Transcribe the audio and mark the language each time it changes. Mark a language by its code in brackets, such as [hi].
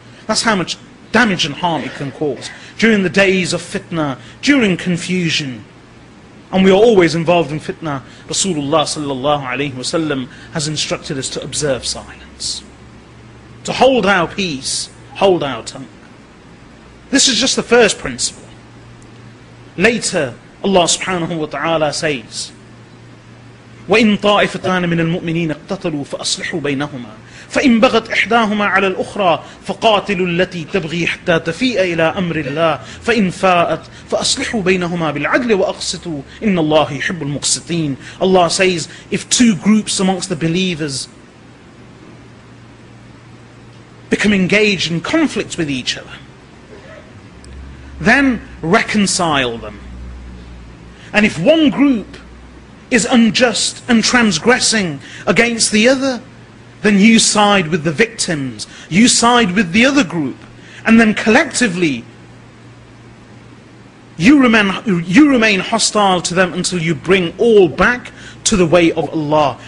[en] That's how much damage and harm it can cause during the days of fitna, during confusion. And we are always involved in fitna. Rasulullah sallallahu alaihi wasallam has instructed us to observe silence, to hold our peace, hold our tongue. This is just the first principle. Later, Allah subhanahu wa ta'ala says, [ar] وَإِنْ طَائِفَتَانَ مِنَ الْمُؤْمِنِينَ اقْتَتَلُوا فَأَصْلِحُوا بَيْنَهُمَا فَإِنْ بَغَتْ إِحْدَاهُمَا عَلَى الْأُخْرَى فَقَاتِلُوا الَّتِي تَبْغِي حَتَّى تَفِيءَ إِلَىٰ أَمْرِ اللَّهِ فَإِنْ فَاءَتْ فَأَصْلِحُوا بَيْنَهُمَا بِالْعَدْلِ وَأَقْسِطُوا إِنَّ اللَّهَ يُحِبُّ الْمُقْسِطِينَ. [en] Allah says, if two groups amongst the believers become engaged in conflict with each other, then reconcile them. And if one group is unjust and transgressing against the other, then you side with the victims, you side with the other group, and then collectively you remain hostile to them until you bring all back to the way of Allah.